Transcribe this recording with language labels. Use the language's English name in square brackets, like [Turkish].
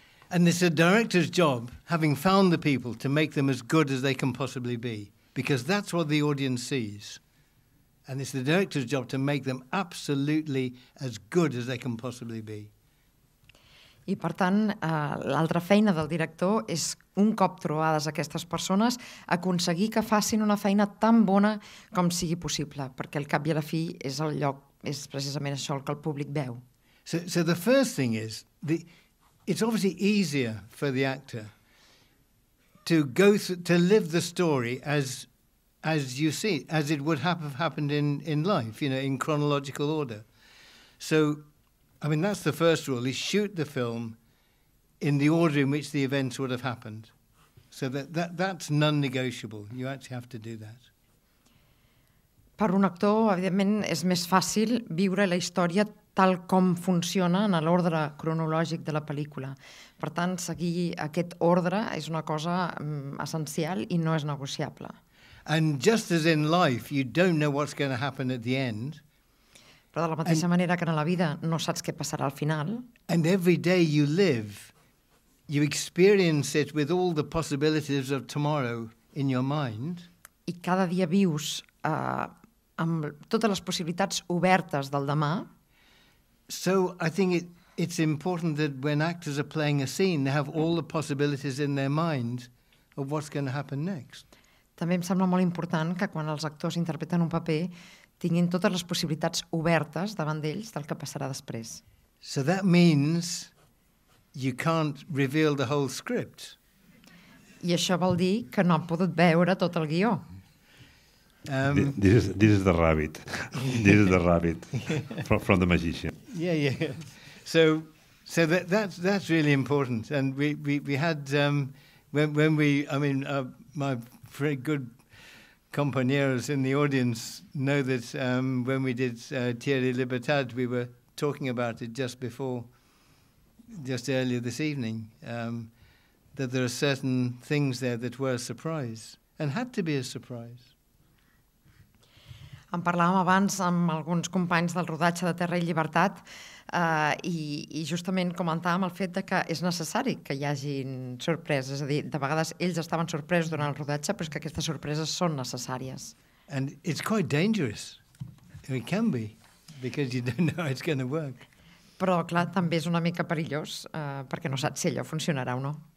[English] And it's a director's job, having found the people, to make them as good as they can possibly be. Because that's what the audience sees. And it's the director's job to make them absolutely as good as they can possibly be. [Catalan] I per tant, l'altra feina del director és, un cop trobades aquestes persones, aconseguir que facin una feina tan bona com sigui possible, perquè al cap i a la fi és el lloc, és precisament això el que el públic veu. [English] So the first thing is, it's obviously easier for the actor to live the story as you see it, as it would have happened in life, you know, in chronological order. So, I mean, that's the first rule, is shoot the film in the order in which the events would have happened. So that's non-negotiable. You actually have to do that. [Catalan] Per un actor, evidentment, és més fàcil viure la història tal com funciona en l'ordre cronològic de la pel·lícula. Per tant, seguir aquest ordre és una cosa essencial i no és negociable. [English] And just as in life, you don't know what's going to happen at the end. [Catalan] Però de la mateixa manera que en la vida no saps què passarà al final. [English] And every day you live, you experience it with all the possibilities of tomorrow in your mind. [Catalan] I cada dia vius amb totes les possibilitats obertes del demà. [English] So I think it's important that when actors are playing a scene, they have all the possibilities in their mind of what's going to happen next. [Catalan] També em sembla molt important que quan els actors interpreten un paper tinguin totes les possibilitats obertes davant d'ells del que passarà després. [English] So that means you can't reveal the whole script. [Catalan] I això vol dir que no han pogut veure tot el guió. [English] This is the rabbit. This is the rabbit from the magician. Yeah. So that's really important. And we had my very good compañeros in the audience know that when we did Thierry Libertad, we were talking about it just earlier this evening, that there are certain things there that were a surprise and had to be a surprise. [Catalan] En parlàvem abans amb alguns companys del rodatge de Terra i Llibertat i justament comentàvem el fet de que és necessari que hi hagin sorpreses. És a dir, de vegades ells estaven sorpresos durant el rodatge, però és que aquestes sorpreses són necessàries. [English] And it's quite dangerous. It can be, because you don't know how it's going to work. [Catalan] Però, clar, també és una mica perillós, perquè no saps si allò funcionarà o no.